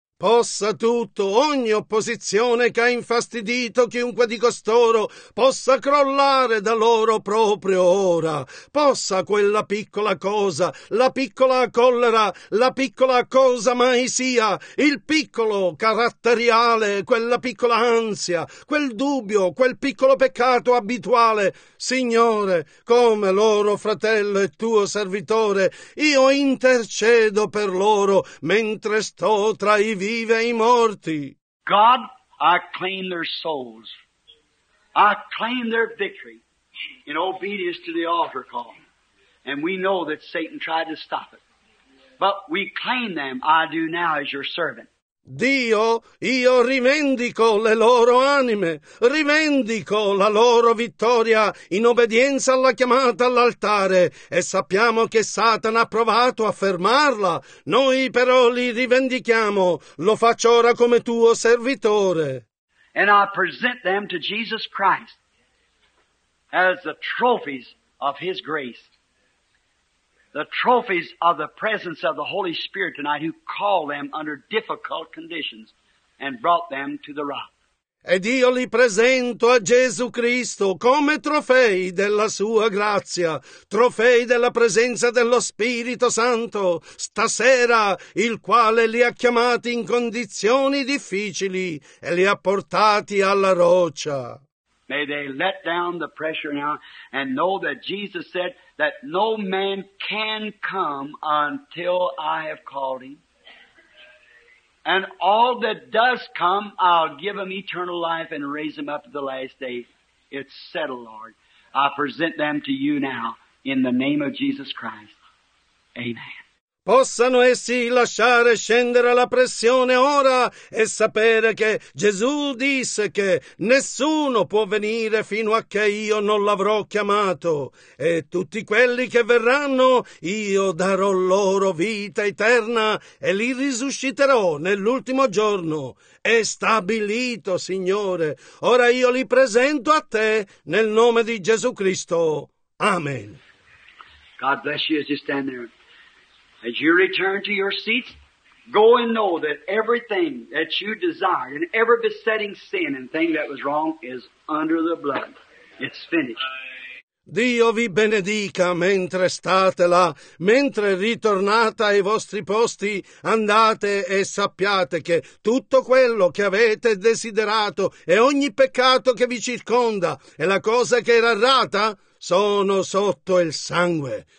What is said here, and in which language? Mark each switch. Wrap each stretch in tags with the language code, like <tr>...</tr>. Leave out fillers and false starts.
<it>Possa tutto, ogni opposizione che ha infastidito chiunque di costoro, possa crollare da loro proprio ora. Possa quella piccola cosa, la piccola collera, la piccola cosa mai sia, il piccolo caratteriale, quella piccola ansia, quel dubbio, quel piccolo peccato abituale. Signore, come loro fratello e tuo servitore, io intercedo per loro mentre sto tra i vivi. Vive i morti.</it> <en>God, I claim their souls. I claim their victory in obedience to the altar call. And we know that Satan tried to stop it. But we claim them, I do now, as your servant.</en> <it>Dio, io rivendico le loro anime, rivendico la loro vittoria in obbedienza alla chiamata all'altare, e sappiamo che Satana ha provato a fermarla. Noi però li rivendichiamo, lo faccio ora come tuo servitore.</it> <en>And I present them to Jesus Christ as the trophies of His grace, the trophies of the presence of the Holy Spirit tonight, who called them under difficult conditions and brought them to the rock.</en> <it>Ed io li presento a Gesù Cristo come trofei della sua grazia, trofei della presenza dello Spirito Santo, stasera, il quale li ha chiamati in condizioni difficili e li ha portati alla roccia.</it> <en>May they let down the pressure now and know that Jesus said that no man can come until I have called him. And all that does come, I'll give him eternal life and raise him up to the last day. It's settled, Lord. I present them to you now in the name of Jesus Christ. Amen.</en> <it>Possano essi lasciare scendere la pressione ora e sapere che Gesù disse che nessuno può venire fino a che io non l'avrò chiamato, e tutti quelli che verranno io darò loro vita eterna e li risusciterò nell'ultimo giorno. È stabilito, Signore. Ora io li presento a Te nel nome di Gesù Cristo. Amen.</it> <en>God bless you as you stand there. As you return to your seats, go and know that everything that you desire, and every besetting sin and thing that was wrong, is under the blood. It's finished.</en> <it>Dio vi benedica mentre state là, mentre ritornate ai vostri posti, andate e sappiate che tutto quello che avete desiderato e ogni peccato che vi circonda e la cosa che era errata sono sotto il sangue.</it>